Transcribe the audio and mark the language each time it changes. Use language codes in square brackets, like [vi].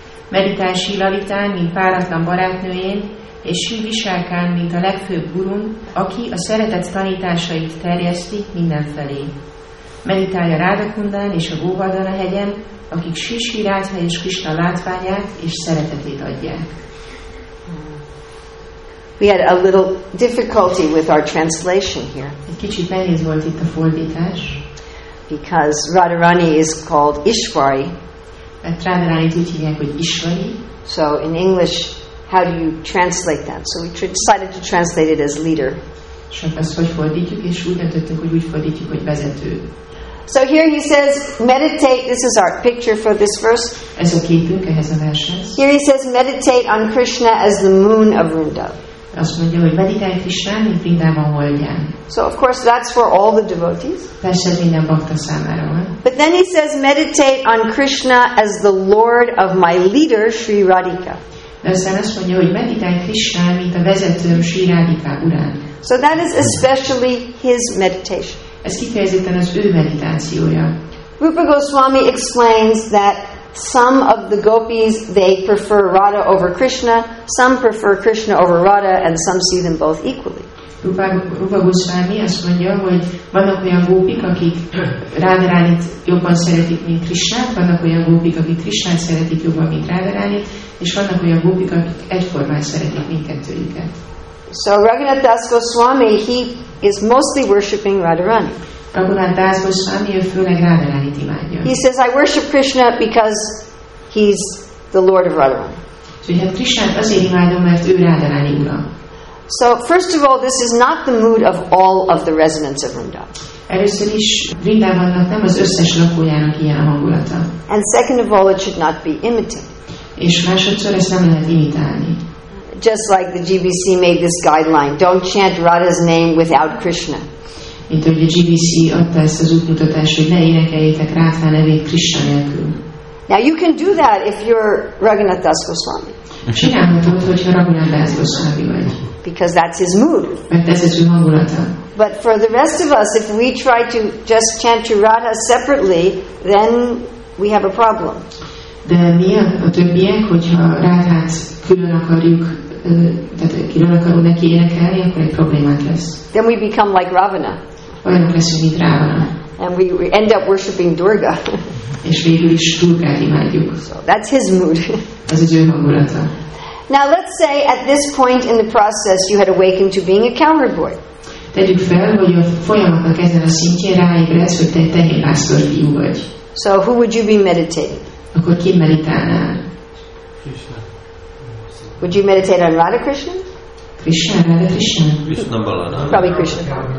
[hu] Meditálj Sri Lalitán, mint páratlan barátnőjén, és Sri Visákán, mint a legfőbb gurun, aki a szeretet tanításait terjeszti mindenfelé. Meditálj a Rádakundán és a Góvardana hegyen, akik Sisi Rádha és Krishna látványát és szeretetét adják. [en] We had a little difficulty with our translation here. [hu] Egy kicsit nehéz volt itt a fordítás. [en] Because Radharani is called Ishvari. [hu] Mert Radharanit úgy hívják, hogy Ishvari. [en] So in English, how do you translate that? So we decided to translate it as leader. [hu] És ezt hogy fordítjuk, és úgy döntöttük, hogy úgy fordítjuk, hogy vezető. [en] So here he says, meditate, this is our picture for this verse. [hu] Ez a képünk ehhez a vershez. [en] Here he says, meditate on Krishna as the moon of Vrindav. [hu] Azt mondja, hogy meditálj Krishnán, mint Vrindavan holdján. [en] So of course that's for all the devotees. [hu] Persze minden bhakta számára van. [en] But then he says, meditate on Krishna as the lord of my leader, Sri Radhika. [hu] De aztán azt mondja, hogy meditálj Krishnán, mint a vezetőm, Sri Radhika urán. [en] So that is especially his meditation. [hu] Ez kifejezetten az ő meditációja. [en] Rupa Goswami explains that some of the gopis, they prefer Radha over Krishna, some prefer Krishna over Radha, and some see them both equally. [hu] Rupa Goswami azt mondja, hogy vannak olyan gópik, akik Rádarányit jobban szeretik, mint Krishnát, vannak olyan gópik, akik Krishnát szeretik jobban, mint Rádarányit, és vannak olyan gópik, akik egyformán szeretik mindkettőjüket. [en] So Raghunath Das Goswami, he is mostly worshipping Radharani. [hu] Raghunath Das Goswami, ő főleg Radharanit imádja. [en] He says, I worship Krishna because he's the Lord of Radharani. [hu] So, hát Krishnát azért imádom, mert ő Radharani ura. [en] So first of all, this is not the mood of all of the residents of Vrindavan. [hu] Először is Vrindavannak nem az összes lakójának ilyen a hangulata. [en] And second of all, it should not be imitated. [hu] És másodszor ezt nem lehet imitálni. [en] Just like the GBC made this guideline, don't chant Radha's name without Krishna. [hu] Mint ahogy a GBC adta ezt az útmutatást, hogy ne énekeljétek Rádha nevét Krishna nélkül. [en] Now you can do that if you're Raghunath Das Goswami. [hu] Csinálhatod, hogyha Raghunath Das Goswami vagy. [en] Because that's his mood. [hu] Mert ez az ő hangulata. [en] But for the rest of us, if we try to just chant to Radha separately, then we have a problem. [hu] De mi a többiek, hogyha Rádhát külön akarjuk, tehát külön akarunk neki énekelni, akkor egy problémát lesz. [en] Then we become like Ravana. [hu] Olyanok leszünk, mint Ravana. [en] And we end up worshipping Durga. [hu] És végül is Durgát imádjuk. [en] So that's his mood. [hu] Ez az ő hangulata. [en] Now let's say at this point in the process you had awakened to being a cowherd boy. [hu] Tegyük fel, hogy a folyamatnak ezen a szintjén ráébredsz, hogy te egy tehénpásztor fiú vagy. [en] So who would you be meditating? [hu] Akkor ki meditálnál? [en] Krishna. Would you meditate on Radha Krishna? Krishna, Radha Krishna. Krishna Balarama. Probably Krishna.